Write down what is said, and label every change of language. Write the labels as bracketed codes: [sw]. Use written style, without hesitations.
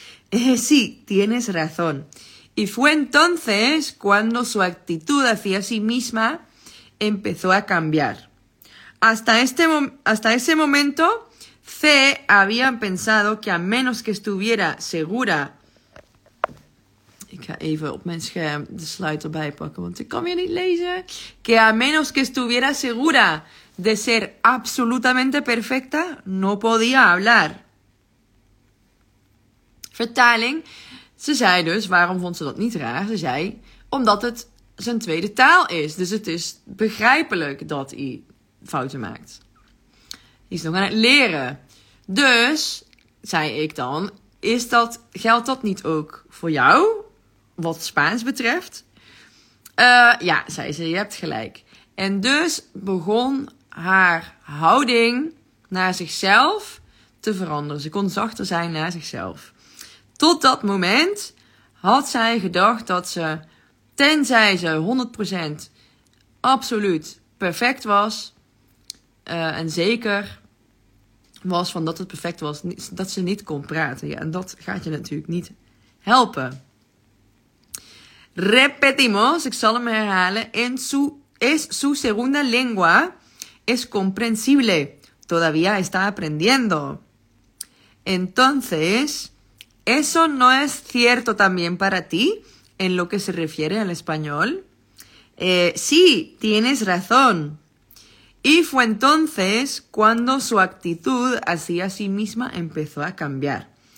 [es] Sí, tienes razón. Y fue entonces cuando su actitud hacia sí misma empezó a cambiar. Hasta ese momento, C había pensado que a menos que estuviera segura... [nl] Ik ga even op mijn scherm de slide erbij pakken, want ik kan weer niet lezen. [es] Que a menos que estuviera segura de ser absolutamente perfecta, no podía hablar. [nl] Vertaling. Ze zei dus, waarom vond ze dat niet raar? Ze zei, omdat het zijn tweede taal is. Dus het is begrijpelijk dat hij fouten maakt. Hij is nog aan het leren. Dus, zei ik dan, geldt dat niet ook voor jou? Wat Spaans betreft? Ja, zei ze, je hebt gelijk. En dus begon haar houding naar zichzelf te veranderen. Ze kon zachter zijn naar zichzelf. Tot dat moment had zij gedacht dat ze, tenzij ze 100% absoluut perfect was, en zeker was van dat het perfect was, dat ze niet kon praten. Ja, en dat gaat je natuurlijk niet helpen. Repetimos, ik zal hem herhalen. [es] Es su segunda lengua. Es comprensible. Todavía está aprendiendo. Entonces, ¿eso no es cierto también para ti en lo que se refiere al español? Sí, tienes razón. Y fue entonces cuando su actitud hacia sí misma empezó a cambiar.